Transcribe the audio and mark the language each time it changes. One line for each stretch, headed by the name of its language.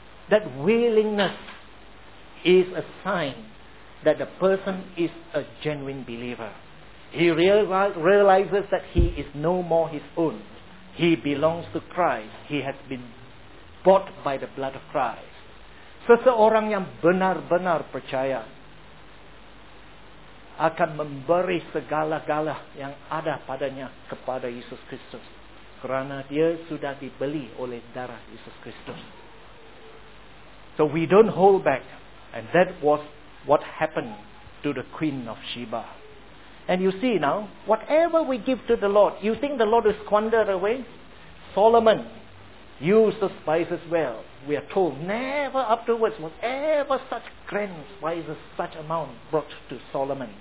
English: That willingness is a sign that the person is a genuine believer. He realizes that he is no more his own. He belongs to Christ. He has been bought by the blood of Christ.
Malay: Seseorang yang benar-benar percaya akan memberi segala-gala yang ada padanya kepada Yesus Kristus, kerana dia sudah dibeli oleh darah Yesus Kristus.
English: So we don't hold back. And that was what happened to the Queen of Sheba. And you see now, whatever we give to the Lord, you think the Lord will squander away? Solomon used the spices well. We are told never afterwards was ever such grand spices, such amount brought to Solomon.